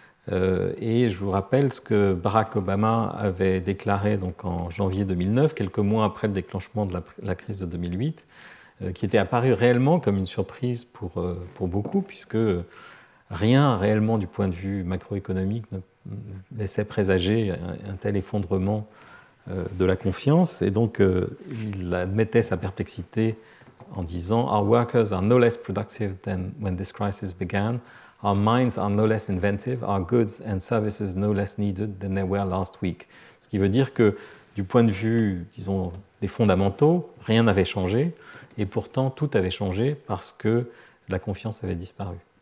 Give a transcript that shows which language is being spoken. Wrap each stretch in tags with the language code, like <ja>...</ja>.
<fr>Et je vous rappelle ce que Barack Obama avait déclaré donc en janvier 2009, quelques mois après le déclenchement de la crise de 2008, qui était apparu réellement comme une surprise pour beaucoup, puisque rien réellement du point de vue macroéconomique ne laissait présager un tel effondrement de la confiance. Et donc il admettait sa perplexité en disant</fr> <en>« Our workers are no less productive than when this crisis began. » Our minds are no less inventive, our goods and services no less needed than they were last week.</en> <fr>Ce qui veut dire que, du point de vue, disons, des fondamentaux, rien n'avait changé, et pourtant tout avait changé parce que la confiance avait disparu.</fr>